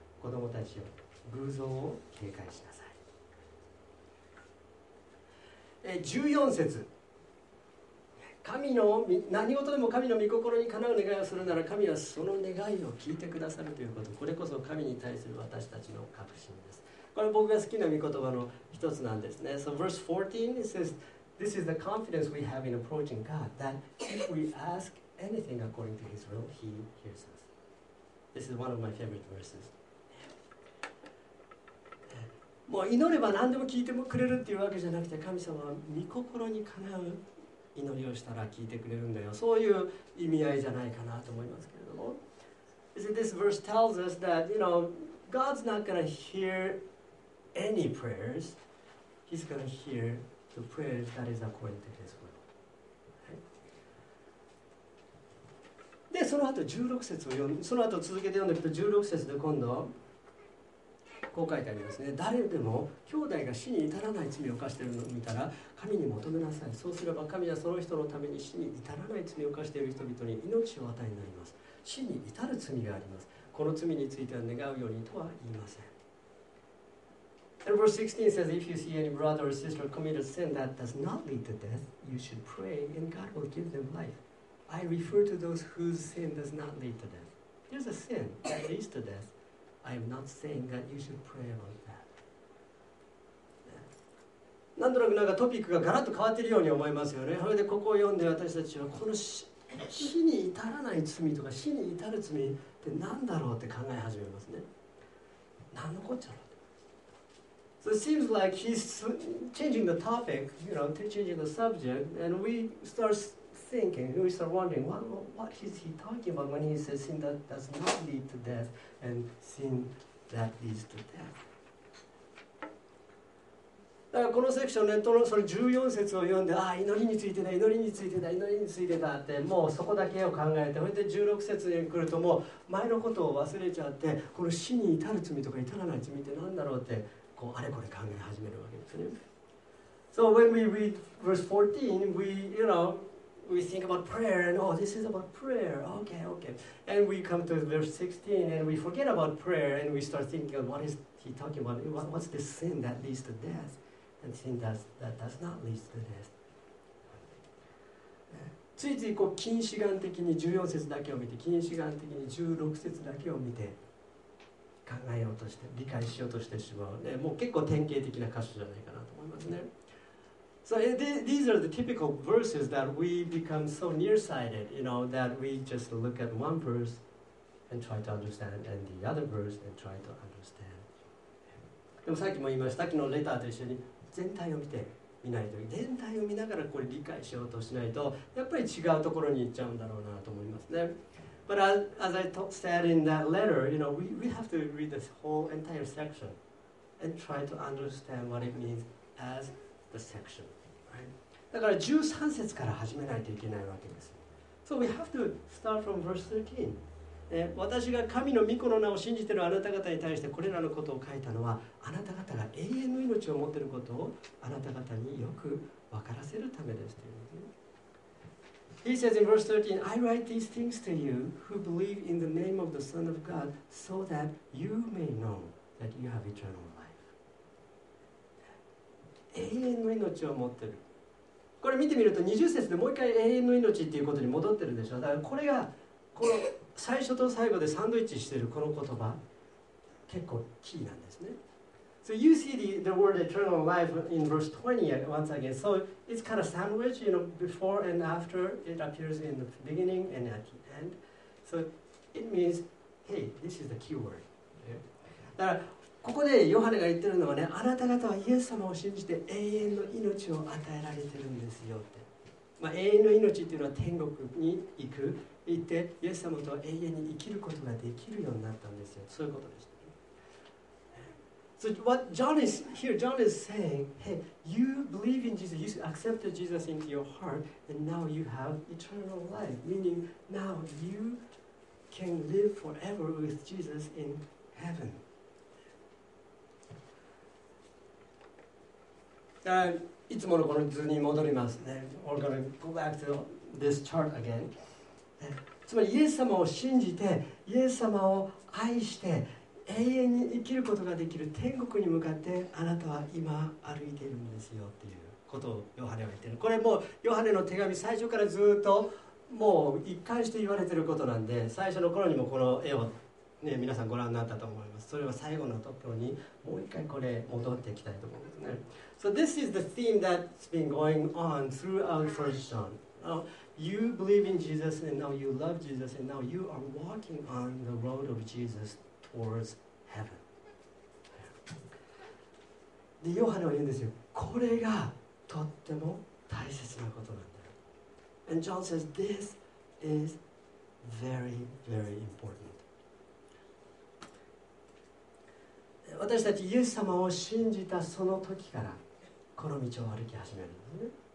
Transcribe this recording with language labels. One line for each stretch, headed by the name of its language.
Japanese: 子供たちよ、偶像を警戒しなさい。 14節、神の何事でも神の御心にかなう願いをするなら神はその願いを聞いてくださるということ、これこそ神に対する私たちの確信です。これ僕が好きな御言葉の一つなんですね。
English: So verse 14 it says, This is the confidence we have in approaching God, that if we ask anything according to His will, He hears us. This is one of my favorite verses.
Japanese: もう祈れば何でも聞いてもくれるっていうわけじゃなくて、神様は御心にかなう祈りをしたら聞いてくれるんだよ、そういう意味合いじゃないかなと思いますけれども。
English: This verse tells us that, you know, God's not going to hear any prayers. He's going to hear the prayers that is according to His will.、Right?
Japanese: で、その後16節を読む、その後続けて読んでいくと16節で今度こう書いてありますね。誰でも兄弟が死に至らない罪を犯しているのを見たら神に求めなさい。そうすれば神はその人のために死に至らない罪を犯している人々に命を与えになります。死に至る罪があります。この罪については願うようにとは言いません。
English: And verse 16 says, If you see any brother or sister commit a sin that does not lead to death, you should pray and God will give them life. I refer to those whose sin does not lead to death. There's a sin that leads to deathI am not saying that you should pray about that.
Japanese: なんとなくなんかトピックがガラッと変わっているように思いますよね。それでここを読んで私たちはこの死に至らない罪とか死に至る罪って何だろうって考え始めますね。何のこっちゃろう。
English: So it seems like he's changing the topic, you know, changing the subject, and we start thinking, we start wondering, what is he talking about when he says sin that does not lead to death? And sin that leads to death.
Japanese: だからこのセクションね、その14節を読んで、ああ祈りについてだ、祈りについてだ、祈りについてだって、もうそこだけを考えて、それで16節に来るともう前のことを忘れちゃって、この死に至る罪とか至らない罪って何だろうってこうあれこれ考え始めるわけですね。
English: So when we read verse 14, we think about prayer and oh, this is about prayer. Okay, okay. And we come to verse 16 and we forget about prayer and we start thinking of what is he talking about? What's the sin that leads to death? And sin that does not lead to death.
Japanese: ついついこう近視眼的に14節だけを見て、近視眼的に16節だけを見て考えようとして、理解しようとしてしまう。ね、もう結構典型的な箇所じゃないかなと思いますね。
English: So these are the typical verses that we become so nearsighted, you know, that we just look at one verse and try to understand, and the other verse and try to understand.
Japanese: でもさっきも言いました、さっきのレターと一緒に全体を見てみないと、全体を見ながらこれ理解しようとしないと、やっぱり違うところに行っちゃうんだろうなと思いますね。
English: But as I said in that letter, you know, we have to read this whole entire section and try to understand what it means as. Section, right?
Japanese: だから13節から始めないといけないわけです。
English: So we have to start from verse 13.
Japanese: 私が神の御子の名を信じているあなた方に対してこれらのことを書いたのは、あなた方が永遠の命を持っていることをあなた方によく分からせるためですという、ね。
English: He says in verse 13, I write these things to you who believe in the name of the Son of God so that you may know that you have eternal life.
Japanese: 永遠の命を持ってる。これ見てみると20節でもう一回永遠の命っていうことに戻ってるでしょ。だからこれがこの最初と最後でサンドイッチしてるこの言葉結構キーなんですね。
English: So you see the word eternal life in verse 20 once again. So it's kind of sandwich, you know, before and after. It appears in the beginning and at the end. So it means, hey, this is the key word.
Japanese: だからここでヨハネが言ってるのはね、あなた方はイエス様を信じて永遠の命を与えられてるんですよって。まあ、永遠の命っていうのは天国に行く、行ってイエス様と永遠に生きることができるようになったんですよ。そういうことでした。
English: So what John is here, John is saying, hey, you believe in Jesus, you accepted Jesus into your heart, and now you have eternal life. Meaning now you can live forever with Jesus in heaven.
Japanese: いつものこの図に戻りますね。
English: We're going to go back to this chart again.
Japanese: つまりイエス様を信じて、イエス様を愛して、永遠に生きることができる天国に向かってあなたは今歩いているんですよっていうことをヨハネは言っている。これもうヨハネの手紙最初からずっともう一貫して言われていることなんで、最初の頃にもこの絵を、ね、皆さんご覧になったと思います。それは最後のところにもう一回これ戻っていきたいと思うんですね。
English: So this is the theme that's been going on throughout First John. You believe in Jesus and now you love Jesus and now you are walking on the road of Jesus. Towards heaven.
Japanese: でヨハネは言うんですよ。これがとっても大切なことなんだ。
English: And John says this is very, very important.
Japanese: 私たちイエス様を信じたその時からこの道を歩き始めるんですね。